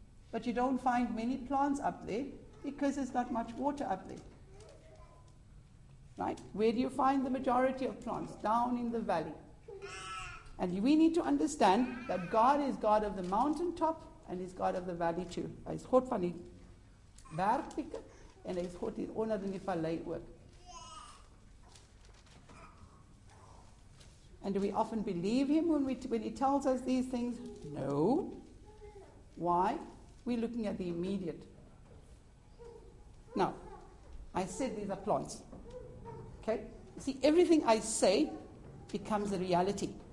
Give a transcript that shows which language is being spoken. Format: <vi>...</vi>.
<en>But you don't find many plants up there because there's not much water up there. Right? Where do you find the majority of plants? Down in the valley. And we need to understand that God is God of the mountaintop and is God of the valley too.</en> <af>Hy is God van die bergpieke en hy is God hier onder in die vallei ook.</af> <en>And do we often believe him when he tells us these things? No. Why? We're looking at the immediate. Now, I said these are plants. Okay? See, everything I say becomes a reality.</en>